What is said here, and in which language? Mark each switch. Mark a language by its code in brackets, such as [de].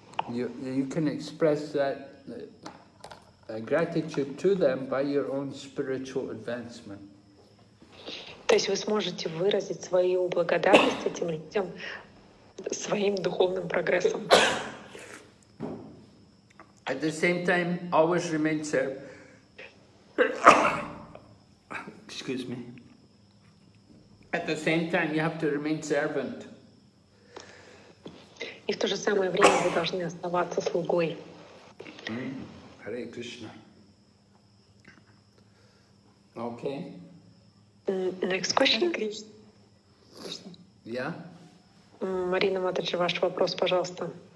[en] You can express that gratitude to them by your own spiritual advancement. [ru] То есть вы сможете выразить свою благодарность этим людям своим духовным прогрессом. [en] At the same time, always remain serve. Excuse me. At the same time, you have to remain servant. [ru] И в то же самое время вы должны оставаться слугой. [en] Hare Krishna. Okay. Next question, Кришна. Yeah. [ru] Марина Матриджи, ваш вопрос, пожалуйста.